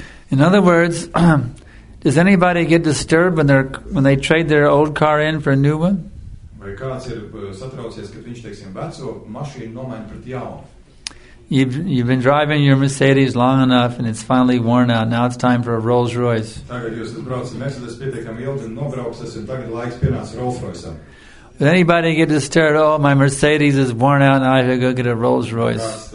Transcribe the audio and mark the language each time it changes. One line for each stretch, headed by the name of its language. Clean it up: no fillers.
English: In other words, does anybody get disturbed when they trade their old car in for a new one?
Latvian: Vai kāds ir satraucies, kad viņš, teiksim, veco mašīnu nomaina pret jaunu?
English: You've been driving your Mercedes long enough and it's finally worn out. Now it's time for a Rolls Royce. Would anybody get disturbed? Oh, my Mercedes is worn out and I should go get a Rolls Royce.